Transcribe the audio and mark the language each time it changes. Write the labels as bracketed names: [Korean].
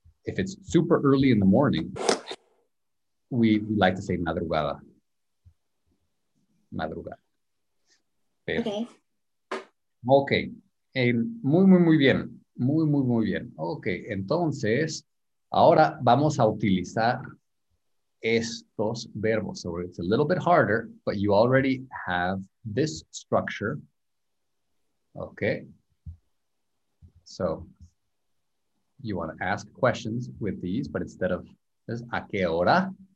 [English] If it's super early in the morning, we like to say madrugada. [Spanish] Madrugada. [English] Okay. [Spanish] Muy, muy, muy bien. Muy, muy, muy bien. Okay, entonces, Ahora vamos a utilizar estos verbos. [English] So it's a little bit harder, but you already have this structure. Okay. So you want to ask questions with these, but instead of this, [Spanish] ¿a qué hora?